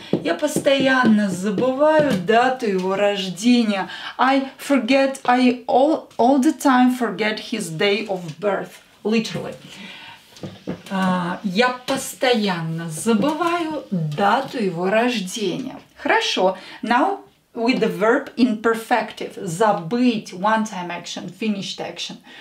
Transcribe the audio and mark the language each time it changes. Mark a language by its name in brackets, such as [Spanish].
[Russian] Я постоянно забываю дату его рождения. [English] I all the time forget his day of birth. Literally. [Russian] Я постоянно забываю дату его рождения. Хорошо. [English] Now, with the verb imperfective, забыть, one-time action, finished action.